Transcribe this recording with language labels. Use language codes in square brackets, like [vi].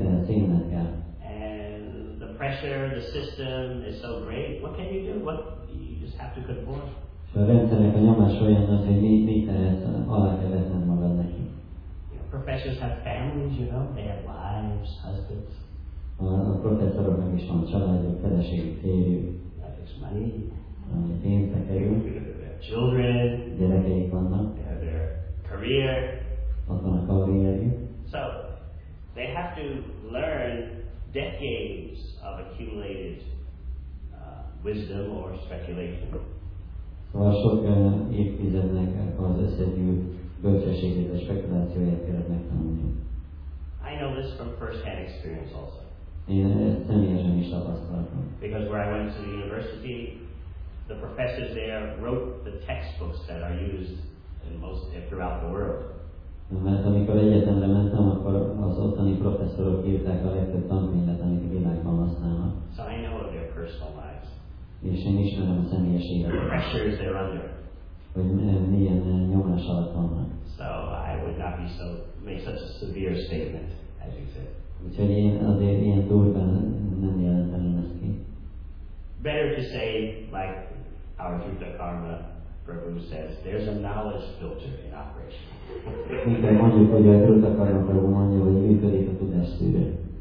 [en] And the pressure, the system is so great. What can you do? What you just have to conform. [hu] A rendszernek a nyomás olyan, hogy mit tehetsz, alá kell vetned magad neki. [en] Professors have families, you know, they have wives, husbands. [hu] A professzoroknak is van családjuk, feleségük, férjük. [en] That is money. [hu] Pénznek kerül. [en] Children. [hu] Gyerekeik vannak. [en] They have their career. [hu] Ott van a karrierjük. [en] So, they have to learn decades of accumulated wisdom or speculation. [hu] Szóval sok évtizednek az összegyűlt bölcsességét, a spekulációját kellett megtanulni. [en] I know this from first-hand experience also. [hu] Én ezt személyesen is tapasztaltam. [en] Because where I went to the university, the professors there wrote the textbooks that are used in most throughout the world. [hu] Mert amikor egyetemre mentem, akkor az ottani professzorok írták a legtöbb tankönyvet, amit a világban használnak. [en] So I know of their personal lives. [hu] És én ismerem a személyes életet. [en] The pressures they're under. [hu] Hogy milyen nyomás alatt vannak. [en] So I would not be so make such a severe statement as you said. [hu] Úgyhogy én azért ilyen durván nem jelentem ezt ki. [en] Better to say like our Jutta Karma Prabhu says, there's a knowledge filter in operation. [hu] Inkább mondjuk, hogy a Jutta Karma Prabhu mondja, hogy működik a tudás szűrő.